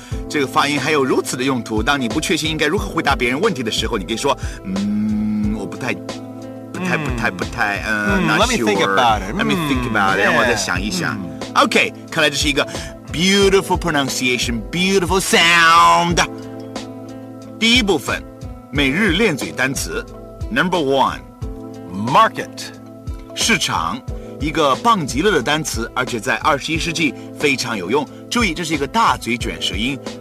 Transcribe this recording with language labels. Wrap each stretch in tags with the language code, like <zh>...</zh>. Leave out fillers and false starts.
<zh>这个发音还有如此的用途。当你不确信应该如何回答别人问题的时候，你可以说，我不太。</zh> <en>Let me think about it.</en> <zh>Yeah. 让我再想一想。 Okay, 看来这是一个 beautiful pronunciation, beautiful sound. 第一部分，每日练嘴单词。</zh> <en>Number one, market.</en> <zh>市场，一个棒极了的单词，而且在21世纪非常有用。注意，这是一个大嘴卷舌音。</zh>